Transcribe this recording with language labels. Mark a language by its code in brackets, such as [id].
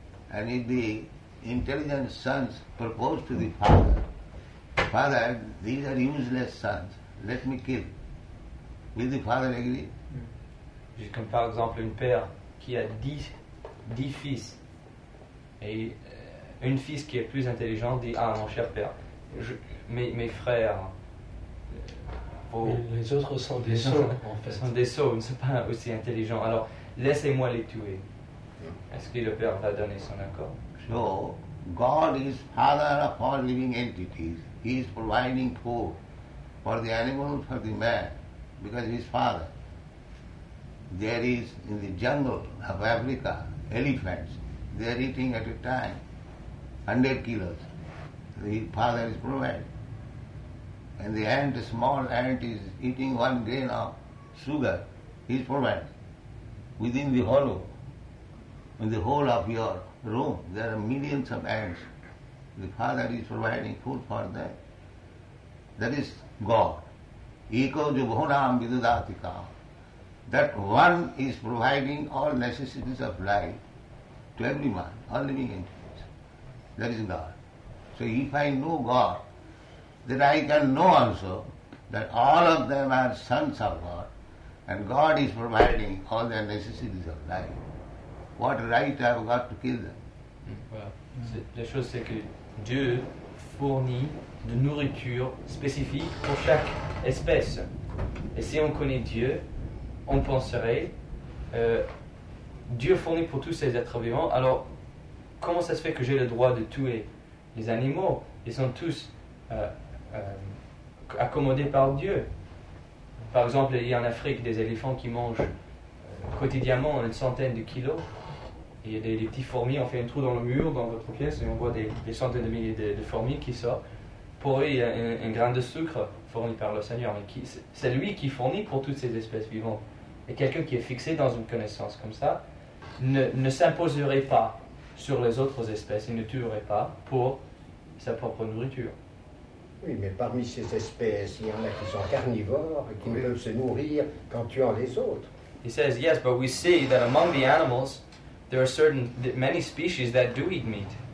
[en] And if the intelligent sons propose to the father, "Father, these are useless sons. Let me kill." Will the father agree? [fr] Just comme par exemple un père qui a 10 fils et une fille qui est plus intelligente dit: "Ah, mon cher père, mes frères." Les autres sont des sots, en fait. Sont des sots, ils ne sont pas aussi intelligents. Alors, laissez-moi les tuer. Est-ce que le Père va donner son accord? [en] So, God is father of all living entities. He is providing food for the animal, for the man, because he is father. There is, in the jungle of Africa, elephants. They are eating at a time, 100 kilos. The father is providing. And the ant, a small ant, is eating one grain of sugar. He is provided. Within the hollow, in the whole of your room, there are millions of ants. The father is providing food for them. That is God. [sa] Eko jo bhunam vidudatika. [en] That one is providing all necessities of life to everyone, all living entities. That is God. So if I know God, that I can know also that all of them are sons of God and God is providing all their necessities of life. What right have I got to kill them? [fr] La chose c'est que Dieu fournit de nourriture spécifique pour chaque espèce. Et si on connaît Dieu, on penserait Dieu fournit pour tous ces êtres vivants. Alors, comment ça se fait que j'ai le droit de tuer les animaux? Ils sont tous accommodé par Dieu. Par exemple, il y a en Afrique des éléphants qui mangent quotidiennement une centaine de kilos. Il y a des petits fourmis, on fait un trou dans le mur dans votre pièce et on voit des centaines de milliers de fourmis qui sortent. Pour eux, il y a un grain de sucre fourni par le Seigneur. Mais c'est lui qui fournit pour toutes ces espèces vivantes. Et quelqu'un qui est fixé dans une connaissance comme ça ne s'imposerait pas sur les autres espèces et ne tuerait pas pour sa propre nourriture. Oui, mais parmi ces espèces, il y en a qui sont carnivores et qui ne peuvent se nourrir qu'en tuant les autres. [en] He says, yes, but we see that among the animals, there are certain, many species that do eat meat.